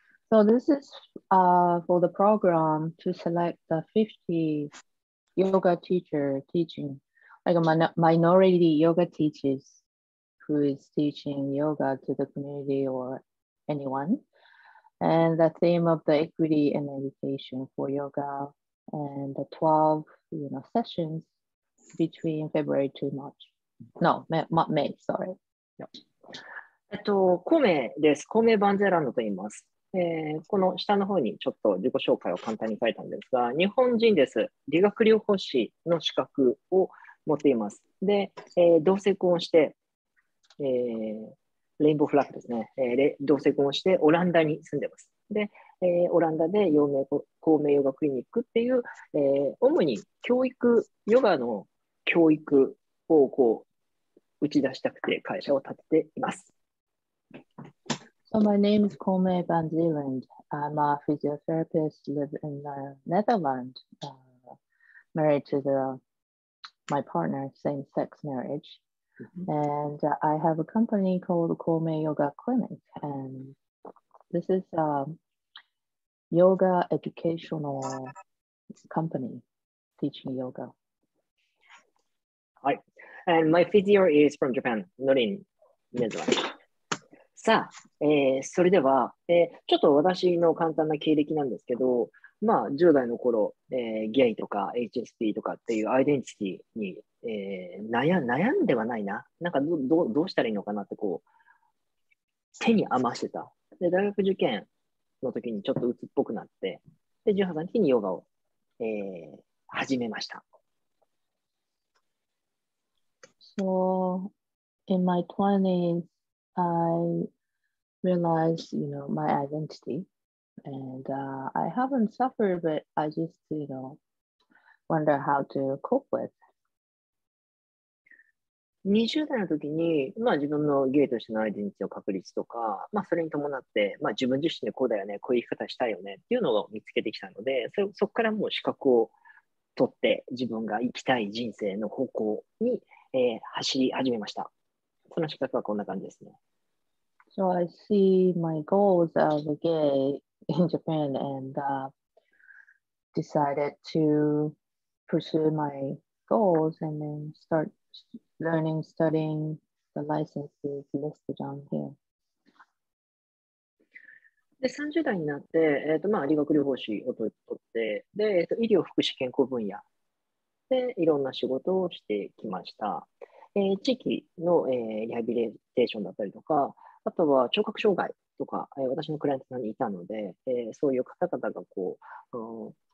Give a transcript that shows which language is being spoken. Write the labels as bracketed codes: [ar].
[en] So this is for the program to select the 50 yoga teacher teaching, like a minority yoga teachers who is teaching yoga to the community or anyone. And the theme of the equity and education for yoga and the 12, sessions between February to March. No, May, sorry. [ja] コメです。コメバンゼラノと言います。この下の方にちょっと自己紹介を簡単に書いたんですが、日本人です。理学療法士の資格を持っています。で、同性婚をして、レインボーフラッグですね。同性婚をしてオランダに住んでます。で、オランダで陽明孔明ヨガクリニックっていう、主に教育、ヨガの教育をこう打ち出したくて会社を立てています。 [en] So my name is Kome van Zeeland. I'm a physiotherapist, live in the Netherlands, married to my partner, same-sex marriage. And I have a company called Kome Yoga Clinic. And this is a yoga educational company teaching yoga. [ja] はい。 [en] And my physio is from Japan, not in Netherlands. [ja] さあ、それでは、ちょっと私の簡単な経歴なんですけど、まあ、10代の頃、ゲイとか HSP とかっていうアイデンティティに、悩んではないな。なんかどうしたらいいのかなって、こう、手に余してた。で、大学受験の時にちょっと鬱っぽくなって、で、18歳の時にヨガを、始めました。 [en] So in my 20s, I realized, my identity, and I haven't suffered, but I just, wonder how to cope with. [ja] 20代の時に、まあ、自分のゲイとしてのアイデンティティの確立とか、まあ、それに伴って、まあ、自分自身でこうだよね、こういう生き方したいよねっていうのを見つけてきたので、そこからもう資格を取って、自分が生きたい人生の方向に、走り始めました。その資格はこんな感じですね。 [en] So I see my goals as a gay in Japan and decided to pursue my goals and then start learning, studying the licenses listed on here. [ja] で、30代になって、まあ、理学療法士を取って、で、医療福祉健康分野でいろんな仕事をしてきました。地域の、リハビリテーションだったりとか、あとは聴覚障害とか、私のクライアントさんにいたので、そういう方々がこう、